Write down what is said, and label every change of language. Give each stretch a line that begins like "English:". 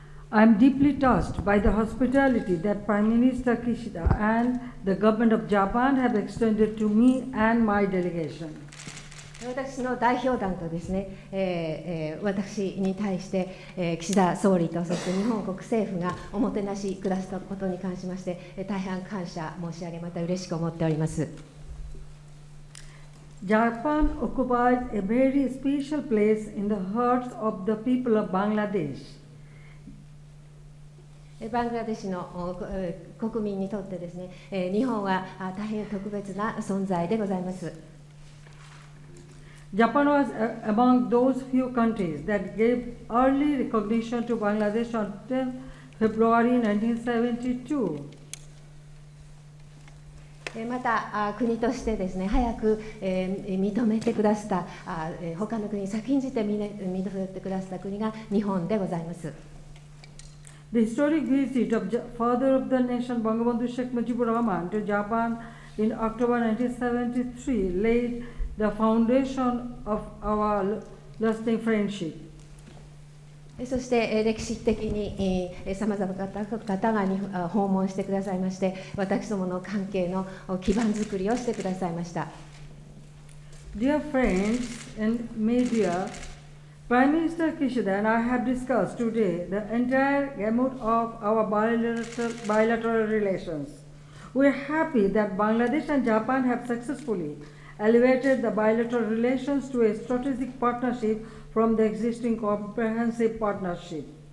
English: I am deeply touched by the hospitality that Prime Minister Kishida and the government of Japan have extended to me and my delegation.
Japanese: 私の代表団とですね、私に対して、岸田総理とそして日本国政府がおもてなしくださったことに関しまして、大変感謝申し上げ、また嬉しく思っております。
English: Japan occupies a very special place in the hearts of the people of Bangladesh.
Japanese: バングラデシュの国民にとってですね、日本は大変特別な存在でございます。
English: Japan was among those few countries that gave early recognition to Bangladesh on 10 February 1972.
Japanese: また国としてですね、早く認めてくださった他の国、先んじて認めてくださった国が日本でございます。
English: The historic visit of father of the nation, Bangabandhu Sheikh Mujibur Rahman, to Japan in October 1973 laid the foundation of our lasting friendship.
Japanese: そして歴史的にさまざまな方々に訪問してくださいまして、私どもの関係の基盤作りをしてくださいました。
English: Dear friends and media,Prime Minister Kishida and I have discussed today the entire gamut of our bilateral relations. We are happy that Bangladesh and Japan have successfully elevated the bilateral relations to a strategic partnership from the existing comprehensive partnership.